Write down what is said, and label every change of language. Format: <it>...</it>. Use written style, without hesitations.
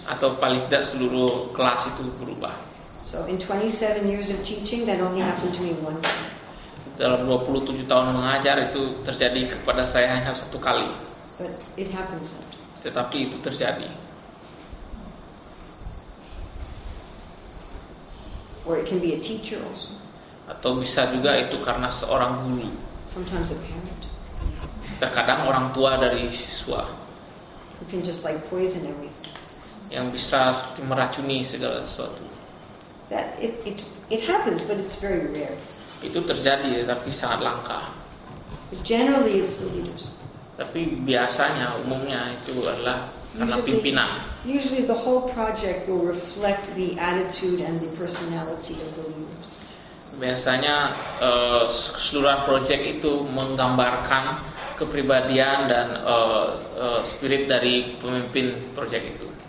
<id>Atau paling tidak seluruh kelas itu berubah.</id> <en>So in 27 years of teaching, that only happened to me one time.</en> <id>Dalam 27 tahun mengajar itu terjadi kepada saya hanya satu kali.</id> <en>But it happens.</en> <id>Tetapi itu terjadi.</id> <en>Or it can be a teacher also.</en> <id>Atau bisa juga itu karena seorang guru.</id> <en>Sometimes a parent.</en> <id>Terkadang orang tua dari siswa.</id> <en>You can just like poison everything.</en> <id>Yang bisa seperti meracuni segala sesuatu.</id> <en>That it happens, but it's very rare.</en> <id>Itu terjadi, tapi sangat langka.</id> <en>But generally it's the leaders.</en> <id>Tapi biasanya, umumnya itu adalah karena pimpinan.</id> <en>Usually the whole project will reflect the attitude and the personality of the leaders.</en> <id>Biasanya seluruh project itu menggambarkan kepribadian dan spirit dari pemimpin project itu.</id>